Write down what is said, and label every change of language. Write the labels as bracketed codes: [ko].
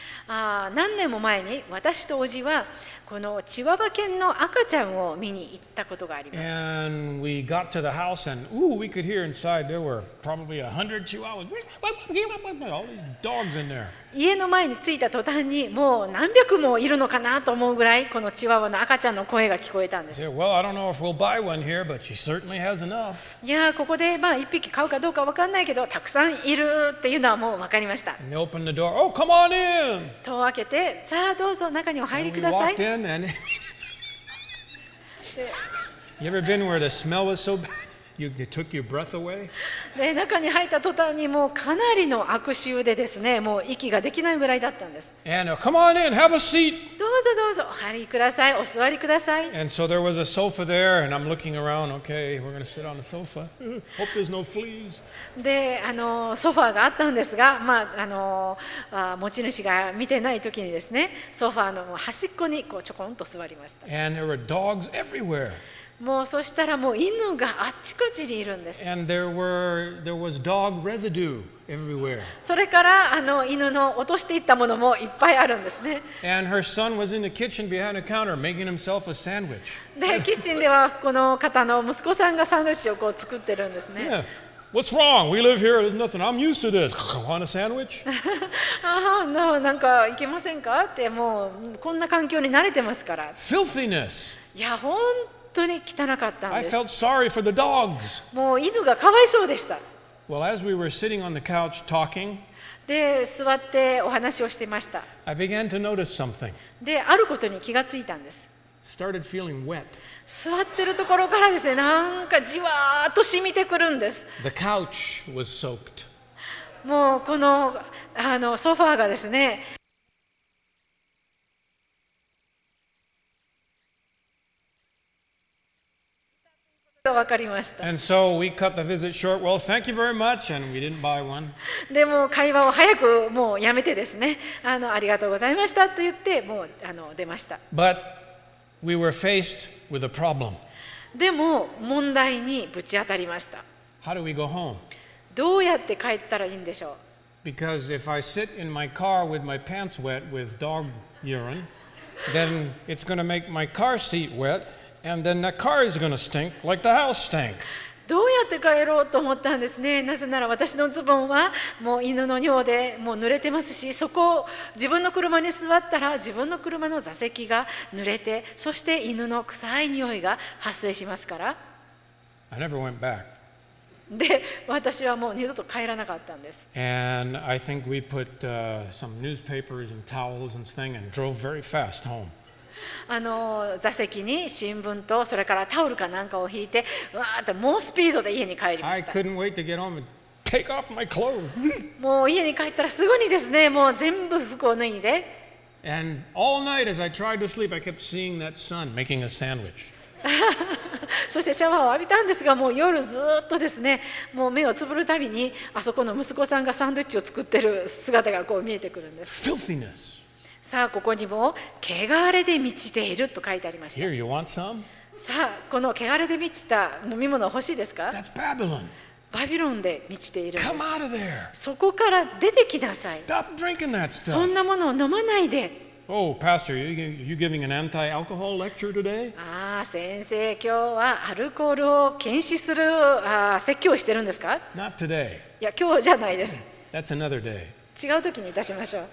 [ja] 何年も前に私とおじはこのチワワ犬の赤ちゃんを見に行ったことがあります。 [en] And we got to the house and ooh, we could hear inside there were probably 100 Chihuahuas. All these dogs in there. [ja] 家の前に着いた途端にもう何百もいるのかなと思うぐらいこのチワワの赤ちゃんの声が聞こえたんです。 [en] Said, well, I don't know if we'll buy one here, but she certainly has enough. [ja] いやここでまあ一匹買うかどうか分かんないけどたくさんいるっていうのはもう分かりました。 [en] And they opened the door. Oh, come on in. [ja] 戸を開けてさあどうぞ中にお入りください。 [en] You ever been where the smell was so bad you took your breath away? [ja] で中に入った途端にもうかなりの悪臭でですね、もう息ができないぐらいだったんです。 [en] And come on in, have a seat. [ja] どうぞどうぞ、お入りください、お座りください。 [en] And so there was a sofa there, and I'm looking around. Okay, we're gonna sit on the sofa. Hope there's no fleas. [ja] で、ソファーがあったんですが、まあ持ち主が見てない時にですね、ソファーの端っこにこうちょこんと座りました。 [en] And there were dogs everywhere. [ja] もうそしたらもう犬があっちこちにいるんです。 [en] And there was dog residue everywhere. [ja] それから犬の落としていったものもいっぱいあるんですね。 [en] And her son was in the kitchen behind the counter making himself a sandwich. [ja] で、キッチンではこの方の息子さんがサンドイッチをこう作ってるんですね。 [en] Yeah. What's wrong? We live here. There's nothing. I'm used to this. Want a sandwich? [ja] なんか行けませんかってもうこんな環境に慣れてますから。 [en] Filthiness. [ja] いや本当本当に汚かったんです。 [en] I felt sorry for the dogs. [ja] もう犬がかわいそうでした。 [en] Well, as we were sitting on the couch talking, [ja] で、座ってお話をしてました。 [en] I began to notice something. [ja] で、あることに気がついたんです。 [en] Started feeling wet. [ja] 座ってるところからですね、なんかじわーっと染みてくるんです。 [en] The couch was soaked. もうこの、ソファーがですね、わかりました。 And so we cut the visit short. Well, thank you very much, and we didn't buy one. [ja] でも会話を早くもうやめてですね、ありがとうございましたと言ってもう出ました。 [en] But we were faced with a problem. [ja] でも問題にぶち当たりました。 [en] How do we go home? [ja] どうやって帰ったらいいんでしょう。 [en] Because if I sit in my car with my pants wet with dog urine, then it's going to make my car seat wet. And then that car is going to stink like the house stank. [ja] どうやって帰ろうと思ったんですね。なぜなら私のズボンはもう犬の尿でもう濡れてますし、そこを自分の車に座ったら自分の車の座席が濡れて、そして犬の臭い匂いが発生しますから。 [en] I never went back. [ja] で、私はもう二度と帰らなかったんです。 [en] And I think we put some newspapers and towels and thing and drove very fast home. [ja] 座席に新聞とそれからタオルかなんかを引いてわーっと猛スピードで家に帰りました。 [en] I couldn't wait to get home and take off my clothes. [ja] もう家に帰ったらすぐにですねもう全部服を脱いで [en] And all night as I tried to sleep I kept seeing that son making a sandwich. [ja] そしてシャワーを浴びたんですがもう夜ずっとですねもう目をつぶるたびにあそこの息子さんがサンドイッチを作ってる姿がこう見えてくるんです。 [en] Filthiness. [ja] さあここにも汚れで満ちていると書いてありました。 [en] Here, you want some? [ja] さあこの汚れで満ちた飲み物欲しいですか。 [en] That's Babylon. [ja] バビロンで満ちているんです。 [en] Come out of there. [ja] そこから出てきなさい。 [en] Stop drinking that stuff. [ja] そんなものを飲まないで。 [en] Oh, Pastor, you giving an anti-alcohol lecture today? [ja] ああ先生今日はアルコールを禁止する説教をしてるんですか。 [en] Not today. [ja] いや今日じゃないです。 [en] That's another day. [ja] 違う時にいたしましょう。